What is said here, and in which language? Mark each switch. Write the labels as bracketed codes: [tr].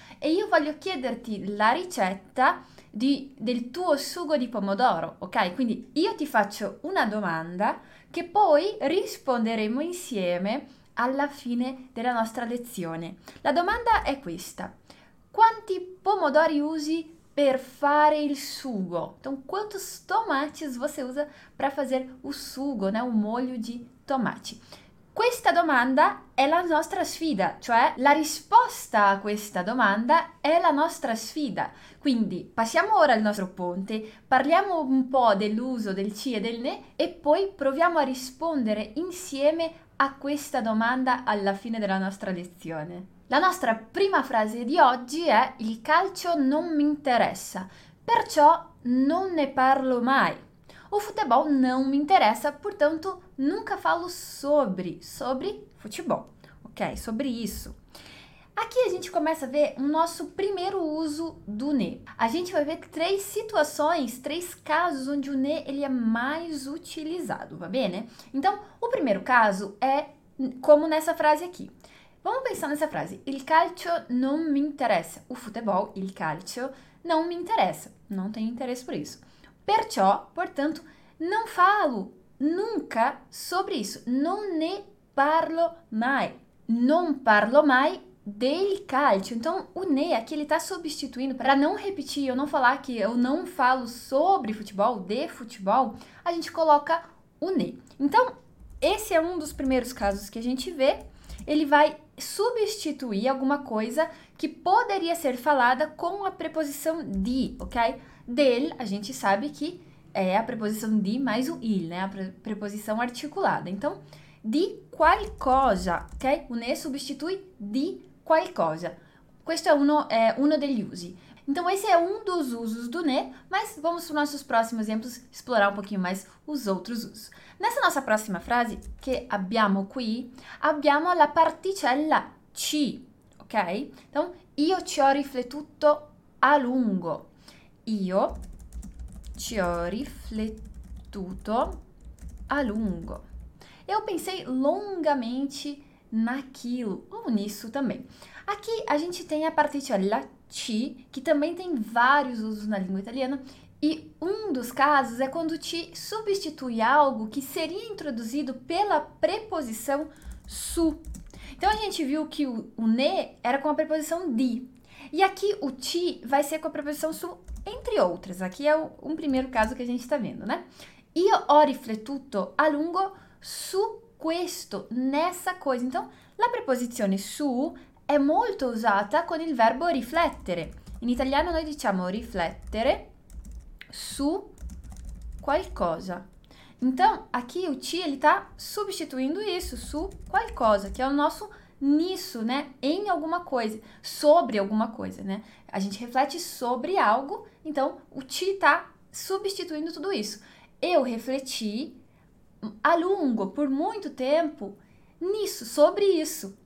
[it] E io voglio chiederti la ricetta del tuo sugo di pomodoro, ok? Quindi io ti faccio una domanda che poi risponderemo insieme alla fine della nostra lezione. La domanda è questa. Quanti pomodori usi per fare il sugo? [pt] Então, quantos tomates você usa para fazer o sugo, né? O molho de tomate? [it] Questa domanda è la nostra sfida, cioè la risposta a questa domanda è la nostra sfida. Quindi passiamo ora al nostro ponte, parliamo un po' dell'uso del ci e del ne e poi proviamo a rispondere insieme a questa domanda alla fine della nostra lezione. La nostra prima frase di oggi è: il calcio non mi interessa, perciò non ne parlo mai. [pt] O futebol [it] non mi interessa, [pt] portanto nunca falo sobre futebol. Ok, sobre isso. Aqui a gente começa a ver o nosso primeiro uso do ne. A gente vai ver três situações, três casos onde o ne ele é mais utilizado, tá bem? Então, o primeiro caso é como nessa frase aqui. Vamos pensar nessa frase. [it] Il calcio non mi interessa. [pt] O futebol, [it] il calcio, non mi interessa. [pt] Não tenho interesse por isso. Perciò, portanto, não falo nunca sobre isso. [it] Non ne parlo mai. Non parlo mai del calcio. [pt] Então, o ne aqui ele está substituindo. Para não repetir, eu não falar que eu não falo sobre futebol, de futebol, a gente coloca o ne. Então, esse é um dos primeiros casos que a gente vê. Ele vai substituir alguma coisa que poderia ser falada com a preposição de, ok? Del, a gente sabe que é a preposição de mais o il, né? A preposição articulada. Então, [it] di qualcosa, [pt] ok? O ne substitui [it] di qualcosa. Questo è uno degli usi. [pt] Então, esse é um dos usos do ne, mas vamos para os nossos próximos exemplos explorar um pouquinho mais os outros usos. Nessa nossa próxima frase, que [it] abbiamo qui, abbiamo la particella ci, [pt] ok? [it] Então, io ci ho riflettuto a lungo. Io ci ho riflettuto a lungo. [pt] Eu pensei longamente naquilo, ou nisso também. Aqui a gente tem a particella ci, que também tem vários usos na língua italiana, e um dos casos é quando ci substitui algo que seria introduzido pela preposição su. Então a gente viu que o ne era com a preposição di, e aqui o ci vai ser com a preposição su, entre outras. Aqui é um primeiro caso que a gente está vendo, né? [it] Io ho riflettuto a lungo su questo, [pt] nessa coisa. [it] Então, la preposizione su è molto usata con il verbo riflettere. In italiano noi diciamo riflettere su qualcosa. [pt] Então, aqui o ci ele tá substituindo isso, [it] su qualcosa, [pt] que é o nosso nisso, né? Em alguma coisa, sobre alguma coisa, né? A gente reflete sobre algo, então o ti tá substituindo tudo isso. Eu refleti [it] a lungo, [pt] por muito tempo, nisso, sobre isso.